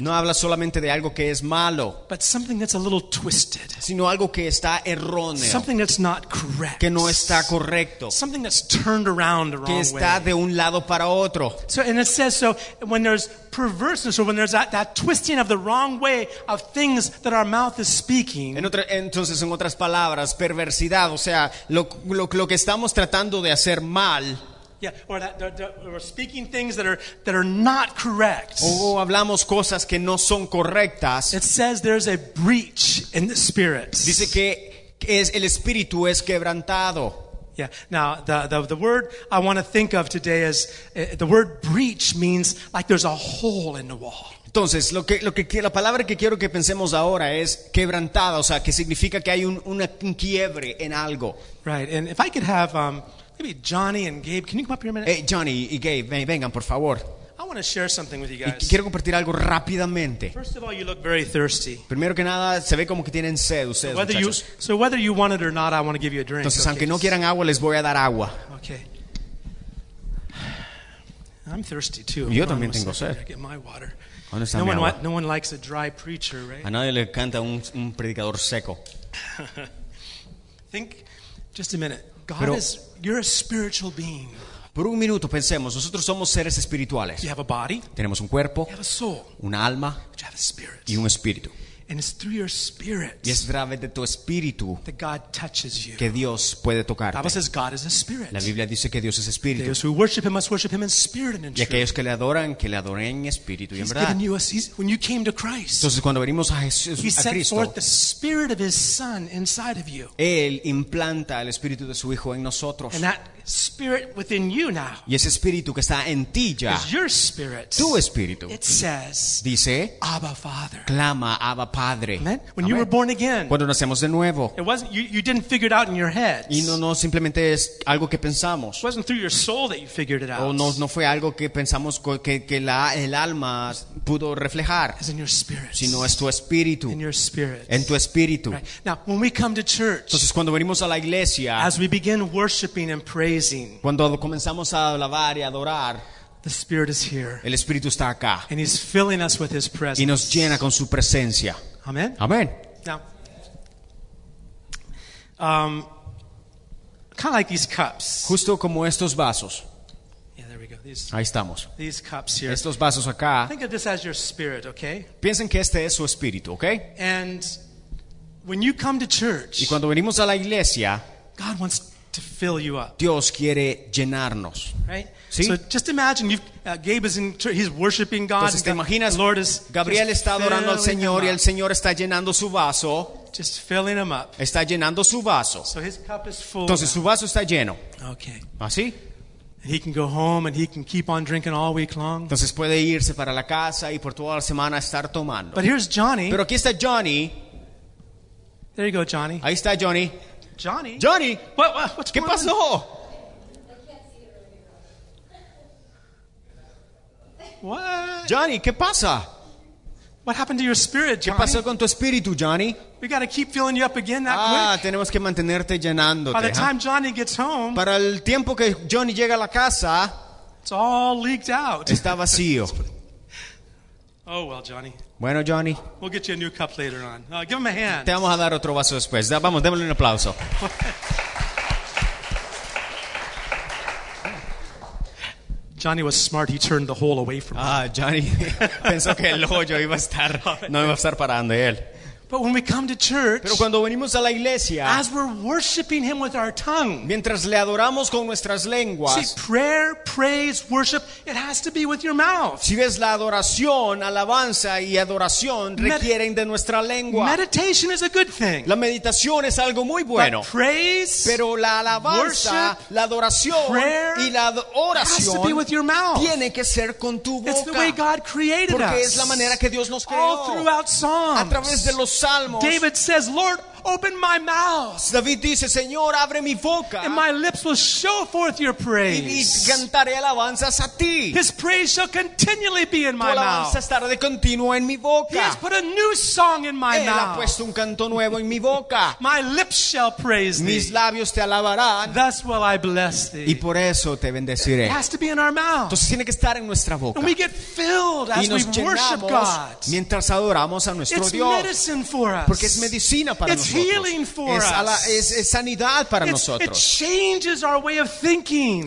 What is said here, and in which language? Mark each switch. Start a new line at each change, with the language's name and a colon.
Spanish: No habla solamente de algo que es malo.
English: But something that's a little twisted.
Spanish: Sino algo que está erróneo.
English: Something that's not correct.
Spanish: Que no está correcto.
English: Something that's turned around the wrong way.
Spanish: Que está de un lado para otro.
English: So, and it says, so when there's perverseness, or when there's that twisting of the wrong way of things that our mouth is speaking.
Spanish: Entonces, en otras palabras, perversidad, o sea, lo que estamos tratando de hacer mal.
English: Yeah, or that we're speaking things that are not correct.
Spanish: O hablamos cosas que no son correctas.
English: It says there's a breach in the spirit.
Spanish: Dice que el espíritu es quebrantado.
English: Yeah. Now the word I want to think of today is the word breach means like there's a hole in the wall.
Spanish: Entonces, lo que la palabra que quiero que pensemos ahora es quebrantada, o sea, que significa que hay un quiebre en algo.
English: Right. And if I could have maybe Johnny and Gabe, can you come up here a minute?
Spanish: Hey, Johnny y Gabe, vengan por favor.
English: I want to share something with you guys.
Spanish: Y quiero compartir algo rápidamente.
English: First of all, you look very thirsty.
Spanish: Primero que nada, se ve como que tienen sed ustedes, muchachos.
English: So whether you want it or not, I want to give you a drink.
Spanish: Entonces, okay. Aunque no quieran agua, les voy a dar agua.
English: Okay. I'm thirsty too.
Spanish: Yo también tengo sed.
English: Get my water.
Spanish: ¿Dónde está mi agua?
English: No one likes a dry preacher, right?
Spanish: A nadie le encanta un predicador seco.
English: Think just a minute. You're a spiritual being.
Spanish: Por un minuto pensemos, nosotros somos seres espirituales.
English: You have a body,
Spanish: tenemos un cuerpo,
English: you have a soul,
Spanish: un alma,
English: but you have a spirit.
Spanish: Y un espíritu.
English: And it's through your spirit,
Spanish: y es a través de tu espíritu,
English: that God touches you.
Spanish: Que Dios puede tocarte.
English: The Bible says God is a spirit.
Spanish: La Biblia dice que Dios es espíritu.
English: Those who worship him must worship him in spirit and in truth.
Spanish: Y aquellos que le adoran, que le adoren en espíritu y en verdad.
English: He's given you when you came to Christ.
Spanish: Entonces cuando venimos a Jesús,
English: he set
Spanish: a Cristo,
English: forth the spirit of his son inside of you.
Spanish: Él implanta el espíritu de su hijo en nosotros.
English: And that spirit within you now.
Spanish: Y ese espíritu que está en ti ya.
English: Is your spirit.
Spanish: Tu espíritu.
English: It says.
Spanish: Dice.
English: Abba Father.
Spanish: Clama Abba Padre.
English: Amen. When Amen. You were born again.
Spanish: Cuando nacemos de nuevo.
English: It wasn't you didn't figure it out in your head.
Spanish: Y no simplemente es algo que pensamos.
English: It wasn't through your soul that you figured it out.
Spanish: O no fue algo que pensamos que el alma pudo reflejar.
English: It's in your spirit.
Spanish: Sino es tu espíritu.
English: In your spirit.
Spanish: En tu espíritu.
English: Right. Now when we come to church.
Spanish: Entonces cuando venimos a la iglesia.
English: As we begin worshiping and praying.
Spanish: Cuando comenzamos a alabar y adorar,
English: the Spirit is here.
Spanish: El Espíritu está acá.
English: And he's filling us with his presence.
Spanish: Y nos llena con su presencia.
English: Amen. Amen. Now, kind of like these cups.
Spanish: Justo como estos vasos.
English: Yeah, there we go.
Spanish: Ahí estamos.
English: These cups here.
Spanish: Estos vasos acá.
English: Think of this as your spirit, okay?
Spanish: Piensen que este es su espíritu, ¿okay?
English: And when you come to church,
Spanish: y cuando venimos a la iglesia,
English: God wants to fill you up.
Spanish: Dios quiere llenarnos.
English: Right?
Spanish: ¿Sí?
English: So just imagine Gabe is in he's worshiping God.
Spanish: Entonces, imaginas,
English: the Lord is
Spanish: Gabriel está adorando al Señor y el Señor está llenando su vaso.
English: Just filling him up.
Spanish: Está llenando su vaso.
English: So his cup is full.
Spanish: Entonces
English: now.
Spanish: Su vaso está lleno.
English: Okay.
Spanish: ¿Así?
English: He can go home and he can keep on drinking all week long.
Spanish: Entonces puede irse para la casa y por toda la semana estar tomando.
English: But here's Johnny.
Spanish: Pero aquí está Johnny.
English: There you go, Johnny.
Spanish: Ahí está Johnny.
English: Johnny, what's
Spanish: ¿qué
English: going
Spanish: pasó?
English: On? What?
Spanish: Johnny, ¿qué pasa?
English: What happened to your spirit, Johnny?
Spanish: ¿Qué pasó con tu espíritu, Johnny?
English: We got to keep filling you up again that quick.
Spanish: Ah, tenemos que mantenerte llenándote.
English: By the time Johnny gets home,
Spanish: para el tiempo que Johnny llega a la casa,
English: it's all leaked out.
Spanish: Está vacío.
English: Oh well, Johnny.
Spanish: Bueno, Johnny.
English: We'll get you a new cup later on. Give him a hand.
Spanish: Te vamos a dar otro vaso después. Vamos, démosle un aplauso.
English: Johnny was smart. He turned the hole away from him.
Spanish: Ah, Johnny. Pensó que el hoyo iba a estar. No iba a estar parando él.
English: But when we come to church,
Spanish: pero cuando venimos a la iglesia,
English: as we're worshiping him with our tongue,
Spanish: mientras le adoramos con nuestras lenguas,
English: see, prayer, praise, worship, it has to be with your mouth.
Spanish: Si ves la adoración, alabanza y adoración requieren de nuestra lengua.
English: Meditation is a good thing.
Spanish: La meditación es algo muy bueno.
English: But praise,
Spanish: pero la alabanza,
English: worship,
Spanish: la adoración,
English: prayer,
Spanish: y la oración
English: has to be with your mouth.
Spanish: Tiene que ser con tu boca.
English: It's the way God created
Spanish: porque
English: us.
Spanish: Porque es la manera que Dios nos creó.
English: All throughout Psalms.
Spanish: A través de los Salmos,
English: David says, Lord, open my mouth.
Spanish: David dice, Señor, abre mi boca.
English: And my lips will show forth your praise.
Spanish: Y cantaré alabanzas a ti.
English: His praise shall continually be in my mouth.
Spanish: Tu alabanza estará de continuo en mi boca.
English: He has put a new song in my mouth.
Spanish: Él ha puesto un canto nuevo en mi boca.
English: My lips shall praise thee.
Spanish: Mis labios te alabarán.
English: Thus will I bless thee.
Spanish: Y por eso te bendeciré.
English: It has to be in our mouth.
Spanish: Entonces tiene que estar en nuestra boca.
English: And we get filled as we worship God.
Spanish: Mientras adoramos a nuestro
English: It's
Spanish: Dios.
English: It's medicine for us.
Spanish: Porque es medicina para
English: It's
Spanish: nosotros.
English: It's healing for
Spanish: es
English: us.
Spanish: Es sanidad para
English: It's,
Spanish: nosotros.
English: It changes our way of thinking.